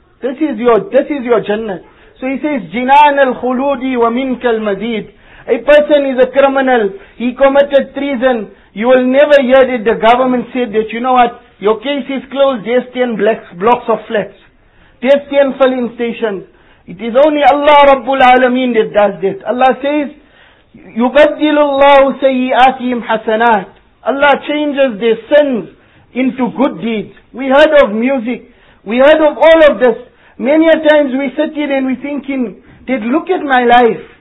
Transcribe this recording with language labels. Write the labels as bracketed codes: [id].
[en] This is your Jannah. So he says, [ar] jinan al-khuludi wa minkal mazid. [en] A person is a criminal. He committed treason. You will never hear that the government said that, you know what, your case is closed, there's 10 blocks of flats. There's 10 filling stations. It is only Allah Rabbul Alameen that does that. Allah says, [ar] يُبَدِّلُ اللَّهُ سَيِّئَاتِهِمْ حَسَنَاتِ. [en] Allah changes their sins into good deeds. We heard of music. We heard of all of this. Many a times we sit here and we thinking, that look at my life.